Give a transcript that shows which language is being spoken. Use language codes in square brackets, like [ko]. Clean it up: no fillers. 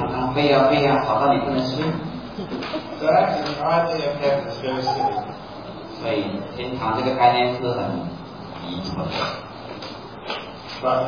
[zh] 在天堂的话，如果有我的话，是不是那狗也会常常吠呀吠呀，吵到你不能睡？ [en] So actually, the idea of heaven is very silly. [zh] 所以天堂这个概念是很愚蠢的。 [en] But